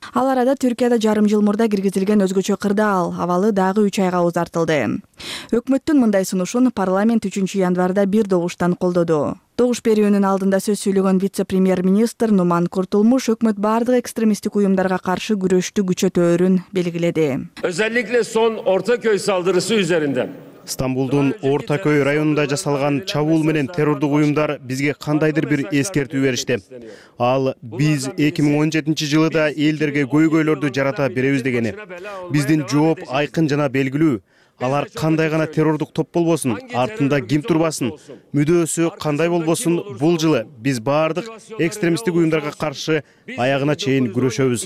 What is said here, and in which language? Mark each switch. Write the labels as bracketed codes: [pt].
[ky] Ал арада Түркияда жарым жыл мурда киргизилген өзгөчө кырдаал абалы дагы 3 айга узартылды. Өкмөттүн мындай сунушун парламент 3-январда бир добуштан колдоду. Добуш берүүнүн алдында сөз сүйлөгөн вице-премьер-министр Нуман Куртулмуш өкмөт баардык экстремисттик уюмдарга каршы күрөштү күчөтөөрүн белгиледи. [tr] Özellikle son Ortaköy saldırısı üzerinden [ky] Стамбулдун Ортакөй районунда жасалган чабуул менен террордук уюмдар бизге кандайдыр бир эскертүү беришти. Ал биз 2017 жылы да элдерге көйгөйлөрдү жарата беребиз дегени. Биздин жооп айкын жана белгилүү. Алар кандай гана террордук топ болбосун, артында ким турбасын, мүдөөсү кандай болбосун, бул жылы биз баардык экстремисттик уюмдарга каршы аягына чейин күрөшөбүз.